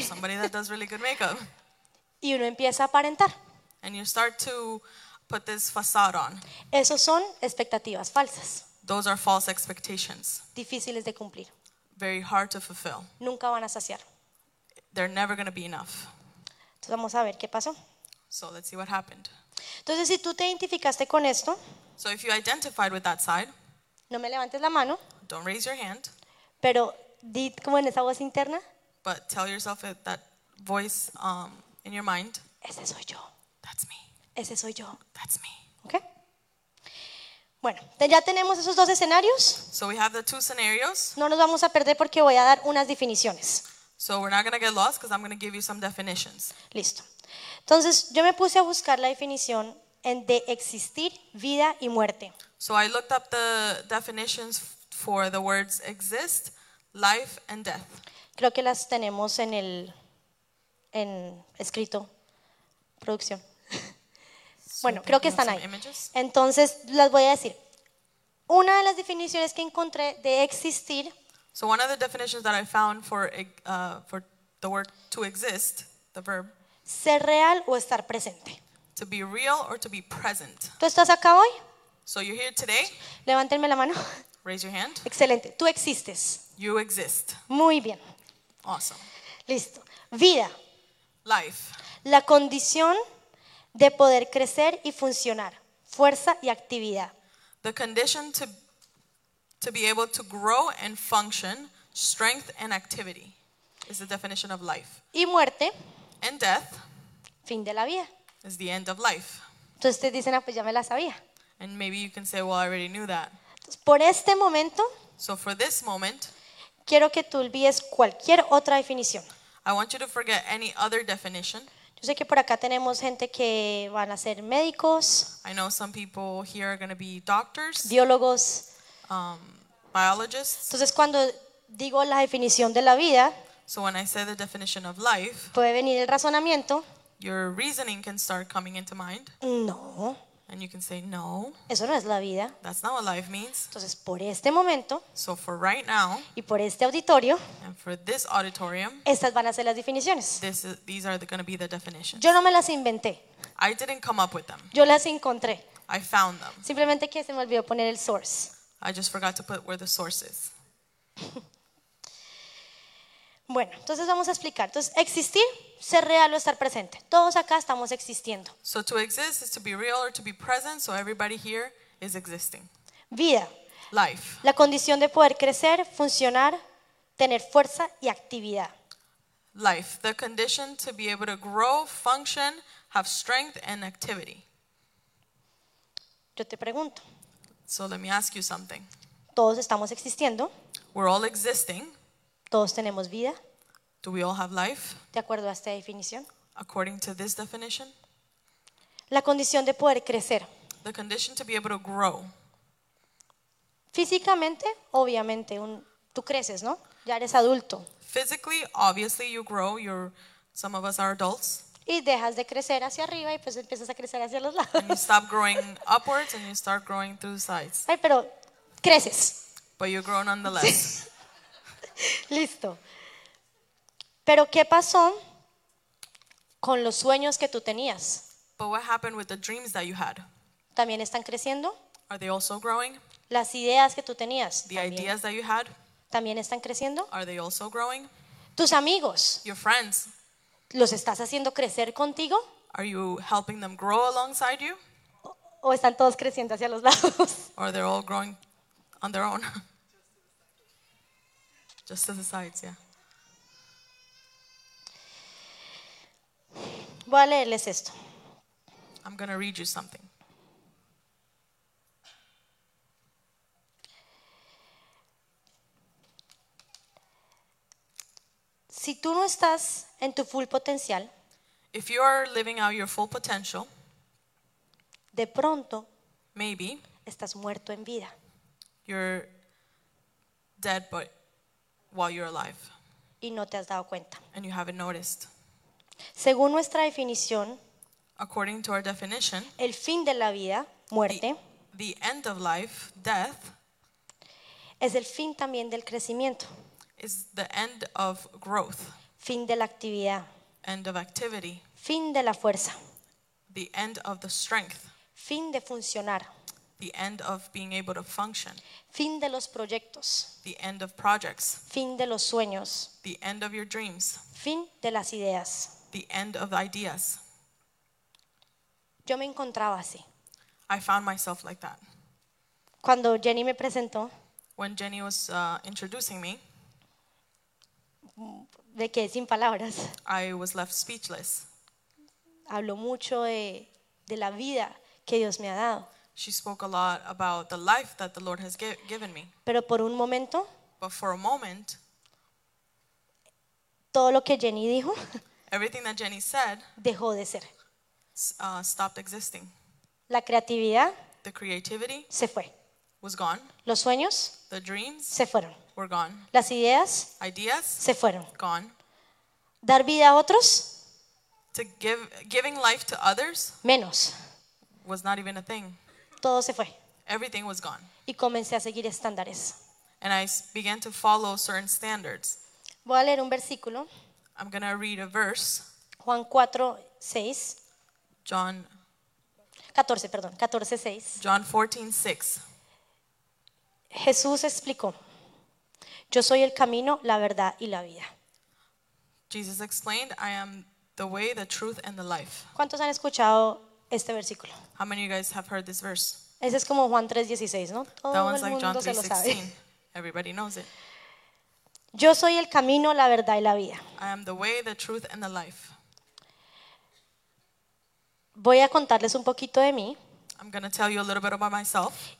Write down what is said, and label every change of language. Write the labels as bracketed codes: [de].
[en] Or somebody that does really good makeup. [es] Y uno empieza a aparentar. [en] And you start to put this facade on. [es] Esos son expectativas falsas. [en] Those are false expectations. [es] Difíciles de cumplir. [en] Very hard to fulfill. [es] Nunca van a saciar. [en] They're never going to be enough. [es] Entonces vamos a ver qué pasó. [en] So let's see what happened. [es] Entonces, si tú te identificaste con esto, [en] so if you identified with that side, [es] no me levantes la mano, [en] don't raise your hand, [es] pero di como en esa voz interna, [en] but tell yourself that voice in your mind, [es] ese soy yo. [en] That's me. [es] Ese soy yo. [en] That's me. Okay. [es] Bueno, ya tenemos esos dos escenarios. [en] So we have the two scenarios. [es] No nos vamos a perder porque voy a dar unas definiciones. [en] So we're not going to get lost because I'm going to give you some definitions. [es] Listo. Entonces, yo me puse a buscar la definición de existir, vida y muerte. [en] So I looked up the definitions for the words exist, life and death. [es] Creo que las tenemos en escrito, producción. [en] So [es] bueno, creo que están ahí. [en] Images? [es] Entonces, las voy a decir. Una de las definiciones que encontré de existir. [en] So one of the definitions that I found for the word to exist, the verb. [es] Ser real o estar presente. [en] To be real or to be present. [es] ¿Tú estás acá hoy? [en] So you're here today. [es] Levántenme la mano. [en] Raise your hand. [es] Excelente. Tú existes. [en] You exist. [es] Muy bien. [en] Awesome. [es] Listo. Vida. [en] Life. [es] La condición de poder crecer y funcionar. Fuerza y actividad. [en] The condition to be able to grow and function. Strength and activity is the definition of life. [es] Y muerte. [en] And death. [es] Fin de la vida. [en] Is the end of life. [es] Entonces ustedes dicen, ah, pues ya me la sabía. [en] And maybe you can say, well, I already knew that. [es] Entonces, por este momento. [en] So for this moment. [es] Quiero que tú olvides cualquier otra definición. [en] I want you to forget any other definition. [es] Yo sé que por acá tenemos gente que van a ser médicos. [en] I know some people here are going to be doctors. [es] Biólogos. [en] Biologists. [es] Entonces cuando digo la definición de la vida. [en] So when I say the definition of life, [es] puede venir el razonamiento. [en] Your reasoning can start coming into mind. [es] No. [en] And you can say no. [es] Eso no es la vida. [en] That's not what life means. [es] Entonces por este momento. [en] So for right now. [es] Y por este auditorio. [en] And for this auditorium. [es] Estas van a ser las definiciones. [en] These are going to be the definitions. [es] Yo no me las inventé. [en] I didn't come up with them. [es] Yo las encontré. [en] I found them. [es] Simplemente que se me olvidó poner el source. [en] I just forgot to put where the source is. [es] Bueno, entonces vamos a explicar. Entonces, existir, ser real o estar presente. Todos acá estamos existiendo. [en] So to exist is to be real or to be present, so everybody here is existing. [es] Vida. [en] Life. [es] La condición de poder crecer, funcionar, tener fuerza y actividad. [en] Life. The condition to be able to grow, function, have strength and activity. [es] Yo te pregunto. [en] So let me ask you something. [es] Todos estamos existiendo. [en] We're all existing. [es] Todos tenemos vida. [en] Do we all have life? [es] De acuerdo a esta definición. [en] According to this definition. [es] La condición de poder crecer. [en] The condition to be able to grow. [es] Físicamente, obviamente, un Tú creces, ¿no? Ya eres adulto. [en] Physically, obviously you grow. Some of us are adults. [es] Y dejas de crecer hacia arriba y pues empiezas a crecer hacia los lados. [en] And you stop growing upwards and you start growing through the sides. [es] Ay, pero creces. [en] But you grow nonetheless. [es] Sí. Listo. Pero ¿qué pasó con los sueños que tú tenías? [en] But what happened with the dreams that you had? [es] ¿También están creciendo? [en] Are they also growing? [es] ¿Las ideas que tú tenías? [en] The ideas that you had? [es] ¿También están creciendo? [en] Are they also growing? [es] ¿Tus amigos? [en] Your friends? [es] ¿Los estás haciendo crecer contigo? [en] Are you helping them grow alongside you? [es] ¿O están todos creciendo hacia los lados? [en] Or they're all growing on their own? Just to the sides, yeah. [es] Voy a leerles esto. [en] I'm going to read you something. [es] Si tú no estás en tu full potencial, [en] if you are living out your full potential, [es] de pronto, [en] maybe, [es] estás muerto en vida. [en] You're dead, but while you're alive. [es] Y no te has dado cuenta. [en] And you haven't noticed. [es] Según nuestra definición, [en] according to our definition, [es] el fin de la vida, muerte, [en] the end of life, death, [es] es el fin también del crecimiento. [en] Is the end of growth. [es] Fin de la actividad. [en] End of activity. [es] Fin de la fuerza. [en] The end of the strength. [es] Fin de funcionar. [en] The end of being able to function. [es] Fin de los proyectos. [en] The end of projects. [es] Fin de los sueños. [en] The end of your dreams. [es] Fin de las ideas. [en] The end of ideas. [es] Yo me encontraba así. [en] I found myself like that. [es] Cuando Jenny me presentó. [en] When Jenny was introducing me. [es] Me quedé sin palabras. [en] I was left speechless. [es] Habló mucho de la vida que Dios me ha dado. [en] She spoke a lot about the life that the Lord has given me. [es] Pero por un momento, [en] but for a moment, [es] todo lo que Jenny dijo, [en] everything that Jenny said, [es] dejó de ser. [en] Stopped existing. [es] La creatividad, [en] the creativity, [es] se fue. [en] Was gone. [es] Los sueños, [en] the dreams, [es] se fueron. [en] Were gone. [es] Las ideas, [en] ideas, [es] se fueron. [en] Gone. [es] Dar vida a otros, [en] to giving life to others, [es] menos. [en] Was not even a thing. [es] Todo se fue. [en] Everything was gone. [es] Y comencé a seguir estándares. [en] And I began to follow certain standards. [es] Voy a leer un versículo. [en] I'm going to read a verse. [es] Juan 4, 6. [en] John [es] 14, perdón. 14, 6. [en] John 14, 6. [es] Jesús explicó: yo soy el camino, la verdad y la vida. [en] Jesus explained, I am the way, the truth and the life. [es] ¿Cuántos han escuchado este versículo? [en] How many of you guys have heard this verse? [es] Ese es como Juan 3:16, ¿no? Todo [en] that one's [es] el [en] like [es] mundo [en] John 3:16. Everybody knows it. [es] Yo soy el camino, la verdad y la vida. [en] I am the way, the truth and the life. [es] Voy a contarles un poquito de mí. [en] I'm going to tell you a little bit about myself.